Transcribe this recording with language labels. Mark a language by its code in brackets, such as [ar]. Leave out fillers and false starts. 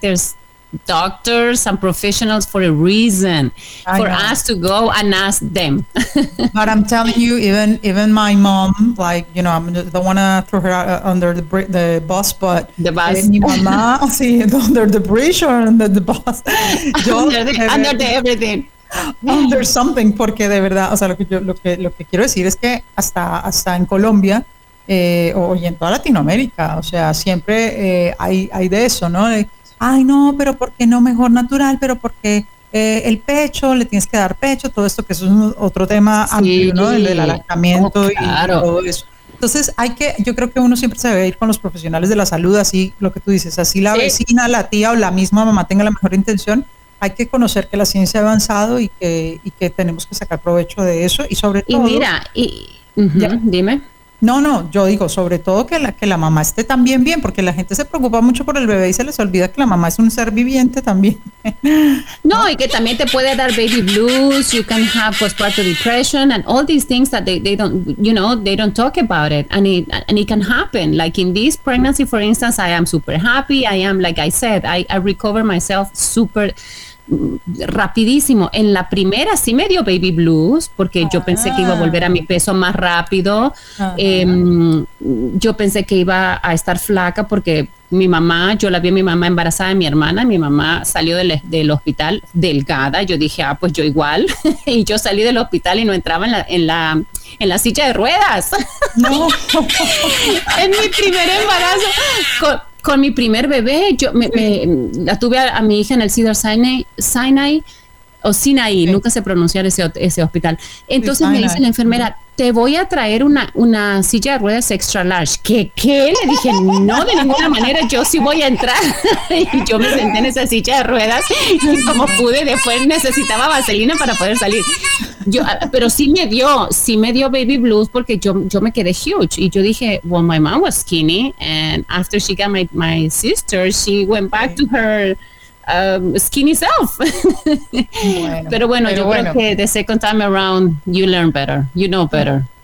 [en] There's doctors and professionals for a reason. Us to go and ask them. But I'm telling you, even my mom, like, you know, I don't want to throw her out under the bus, but the bus. Under the bridge or under the bus? Under everything. Under something, [es] porque de verdad, o sea, lo que quiero decir es que hasta en Colombia y en toda Latinoamérica, o sea, siempre hay de eso, ¿no? Pero ¿por qué no mejor natural? Pero porque el pecho, le tienes que dar pecho, todo esto, que eso es otro tema amplio, ¿no? El del alargamiento y todo eso. Entonces yo creo que uno siempre se debe ir con los profesionales de la salud, así lo que tú dices, así la vecina, la tía o la misma mamá tenga la mejor intención. Hay que conocer que la ciencia ha avanzado y que tenemos que sacar provecho de eso y sobre todo... Y mira, dime. No, yo digo, sobre todo que la mamá esté también bien, porque la gente se preocupa mucho por el bebé y se les olvida que la mamá es un ser viviente también. No, y que también te puede dar baby [en] blues, you can have postpartum depression and all these things that they don't talk about it. And it can happen. Like in this pregnancy, for instance, I am super happy. I am, like I said, I recover myself super rapidísimo. [es] En la primera sí me dio baby blues porque yo pensé que iba a volver a mi peso más rápido. Yo pensé que iba a estar flaca porque mi mamá, yo la vi a mi mamá embarazada de mi hermana, mi mamá salió del hospital delgada, yo dije pues yo igual, y yo salí del hospital y no entraba en la silla de ruedas. No. En mi primer embarazo con mi primer bebé, yo la tuve a mi hija en el Sinai, sí. Nunca sé pronunciar ese hospital. Entonces me dice la enfermera, te voy a traer una silla de ruedas extra large. ¿Qué? Le dije, no, de ninguna manera, yo sí voy a entrar. Y yo me senté en esa silla de ruedas y como pude, después necesitaba vaselina para poder salir. Pero sí me dio baby blues, porque yo me quedé huge. Y yo dije, [en] well, my mom was skinny, and after she got my sister, she went back to her skinny self. [es] Creo que [en] the second time around you learn better, you know better.